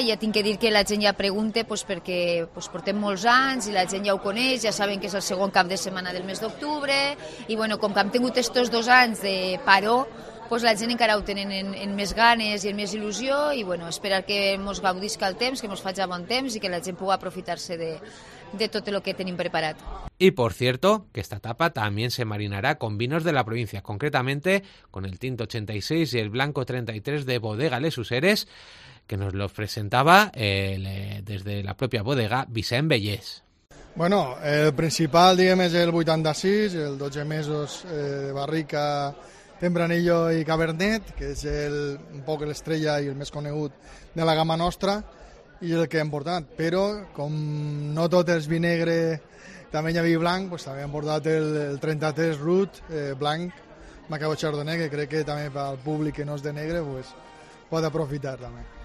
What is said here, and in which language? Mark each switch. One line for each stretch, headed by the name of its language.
Catalan: Ja tinc que dir que la gent ja pregunta pues, perquè pues, portem molts anys i la gent ja ho coneix, ja saben que és el segon cap de setmana del mes d'octubre i bueno, com que hem tingut estos dos anys de paró, pues la gent encara ho tenen en més ganes i en més il·lusió i bueno, esperar que ens gaudisca el temps, que ens faci bon temps i que la gent pugui aprofitar-se de tot el que tenim preparat.
Spanish: Y por cierto, que esta tapa también se marinará con vinos de la provincia, concretamente con el Tinto 86 y el Blanco 33 de Bodega Les Useres, que nos lo presentaba desde la propia bodega Vicent Bellés.
Catalan: Bueno, el principal, diguem, és el 86, el 12 mesos de barrica Tempranillo i Cabernet, que és un poc l'estrella i el més conegut de la gamma nostra i el que hem portat. Però, com no tot és vinegre, també hi ha vi blanc, pues, també hem portat el 33 Rut blanc, Macabeu Chardonnay, que crec que també pel públic que no és de negre pues, pot aprofitar també.